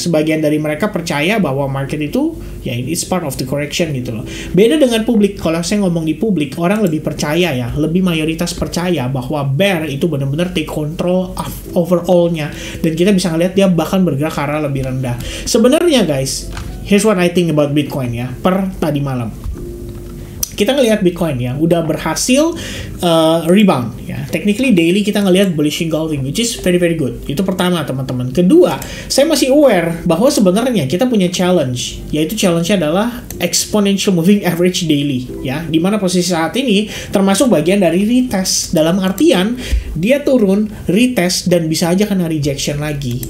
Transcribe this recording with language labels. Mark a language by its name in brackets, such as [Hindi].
[Indonesian] Sebagian dari mereka percaya bahwa market itu ya, [English] it's part of the correction [Indonesian] gitu loh. Beda dengan publik, kalau saya ngomong di publik, orang lebih percaya ya, lebih mayoritas percaya bahwa bear itu benar-benar [English] take control of overall-nya, [Indonesian] dan kita bisa ngeliat dia bahkan bergerak ke arah lebih rendah. Sebenarnya [English] guys, here's what I think about Bitcoin [Indonesian] ya, per tadi malam. kita ngelihat Bitcoin ya, udah berhasil rebound ya. Technically daily kita ngelihat bullish engulfing, [English] which is very very good. [Indonesian] Itu pertama, teman-teman. Kedua, saya masih aware bahwa sebenarnya kita punya challenge, yaitu challenge-nya adalah exponential moving average daily ya, di mana posisi saat ini termasuk bagian dari retest, dalam artian dia turun, retest, dan bisa aja kena rejection lagi.